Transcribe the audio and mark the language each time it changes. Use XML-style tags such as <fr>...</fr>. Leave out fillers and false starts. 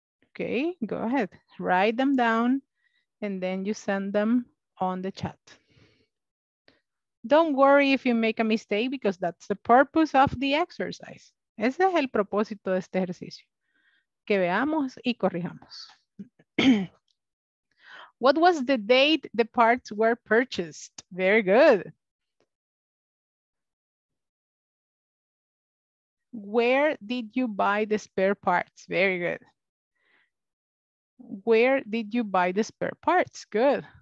<en>Okay, go ahead, write them down and then you send them on the chat. Don't worry if you make a mistake because that's the purpose of the exercise.</en> <es>Ese es el propósito de este ejercicio. Que veamos y corrijamos.</es> <en>What was the date the parts were purchased? Very good. Where did you buy the spare parts? Very good. Where did you buy the spare parts? Good.</en>